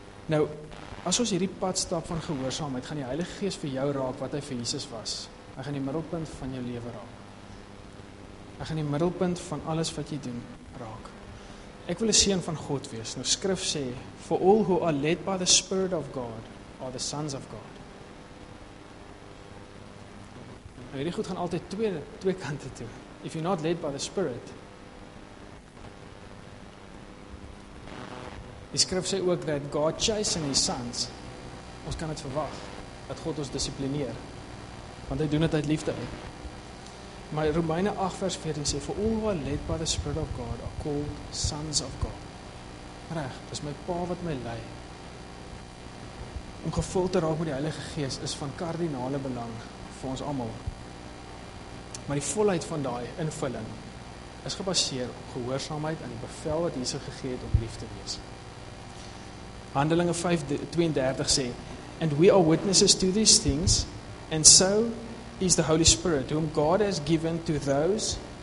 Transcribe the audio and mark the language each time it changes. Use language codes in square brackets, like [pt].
[af] Nou, as ons hierdie pad stap van gehoorsaamheid, gaan die Heilige Gees vir jou raak wat hy vir Jesus was. Hy gaan die middelpunt van jou lewe raak. Hy gaan die middelpunt van alles wat jy doen raak. Ek wil 'n seun van God wees. Nou skrif sê, [en] for all who are led by the Spirit of God are the sons of God. [af] Nou hierdie goed gaan altyd twee kante toe. [en] If you're not led by the Spirit, [af] Die skrif sê ook dat God [en] chasing his sons. [af] Ons kan dit verwag dat God ons dissiplineer. Want hy doen dit uit liefde. Maar Romeine 8 vers 14 sê, [en] for all who are led by the Spirit of God are called sons of God. [af] Reg, dis my pa wat my lei. Om gevul te raak met die Heilige Gees is van kardinale belang vir ons allemaal. Maar die volheid van die invulling is gebaseer op gehoorsaamheid en die bevel wat Jesus gegee het om lief te wees. Handelinge 5:32 sê, [en] and we are witnesses to these things, and so is the Holy Spirit, whom God has given to those.